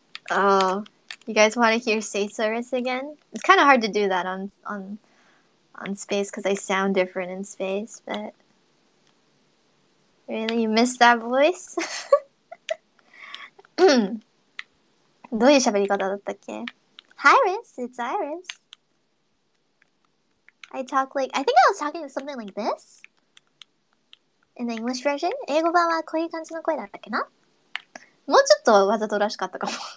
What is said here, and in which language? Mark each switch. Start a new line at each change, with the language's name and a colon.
English: Oh, you guys want to hear Stasaurus again? It's kind of hard to do that on space because I sound different in space, but really, you missed that voice?
Japanese: どういう喋り方だったっけ?
English: Iris, it's Iris. I think I was talking to something like this. In the English version?
Japanese: 英語版はこういう感じの声だったっけな？もうちょっとわざとらしかったかも。